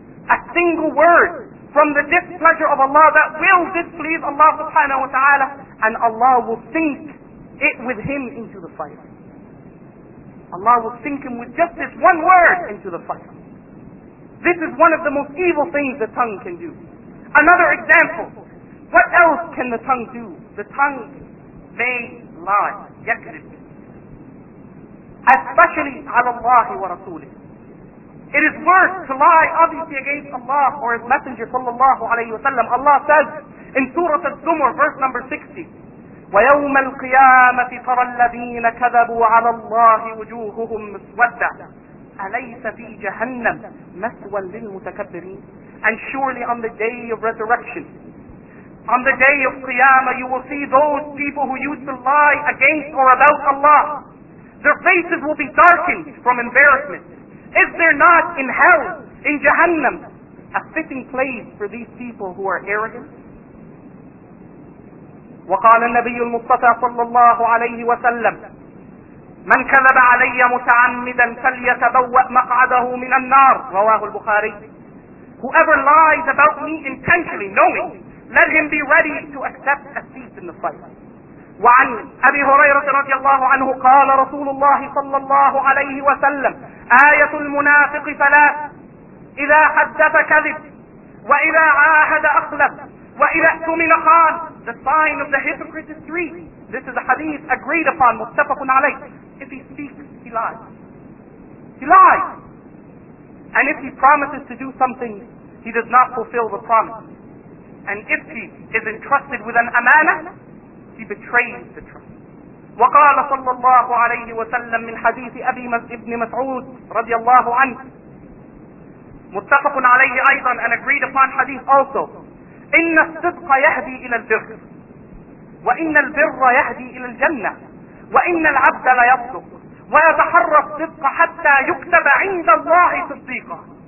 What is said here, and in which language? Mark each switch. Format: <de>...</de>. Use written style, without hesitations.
<en>A single word from the displeasure of Allah that will displease Allah subhanahu wa ta'ala and Allah will sink it with him into the fire. Allah will sink him with just this one word into the fire. This is one of the most evil things the tongue can do. Another example. What else can the tongue do? The tongue may lie.</en> <ar>يكذب.</ar> <en>Especially</en> <ar>على الله ورسوله.</ar> <en>It is worse to lie obviously against Allah or His Messenger sallallahu alayhi wa sallam. Allah says in Surah Az-Zumar, verse number 60,</en> <ar>وَيَوْمَ الْقِيَامَةِ تَرَى الَّذِينَ كَذَبُوا عَلَى اللَّهِ وُجُوهُهُمْ مُسْوَدَّةٌ أَلَيْسَ فِي جَهَنَّمْ مَثْوًى لِلْمُتَكَبِّرِينَ</ar> <en>And surely on the day of resurrection, on the day of Qiyamah, you will see those people who used to lie against or about Allah. Their faces will be darkened from embarrassment. Is there not in hell, in Jahannam, a fitting place for these people who are arrogant?</en> <ar>وَقَالَ النَّبِيُّ الْمُصْطَفَى صَلَّى اللَّهُ عَلَيْهِ وَسَلَّمْ مَنْ كَذَبَ عَلَيَّ مُتَعَمِّدًا فَلْيَتَبَوَّأْ مَقْعَدَهُ مِنَ النَّارِ رواه البخاري.</ar> <en>Whoever lies about me intentionally, knowing, let him be ready to accept a seat in the fire.</en> <ar>وعن أبي هريرة رضي الله عنه قال رسول الله صلى الله عليه وسلم آية المنافق ثلاث إذا حدث كذب وإذا عاهد أخلف وإذا اؤتمن خان</ar> <en>The sign of the hypocrite is three. This is a hadith agreed upon,</en> <ar>متفق عليه.</ar> <en>If he speaks, he lies. He lies. And if he promises to do something, he does not fulfill the promise. And if he is entrusted with an amanah, he betrays the trust.</en> <ar>وقال صلى الله عليه وسلم من حديث أبي ابن مسعود رضي الله عنه متفق عليه أيضا</ar> <en>and agreed upon</en> <ar>حديث also إن الصدق يهدي إلى البر وإن البر يهدي إلى الجنة وإن العبد لا يصدق ويتحرى الصدق حتى يكتب عند الله صديقا</ar>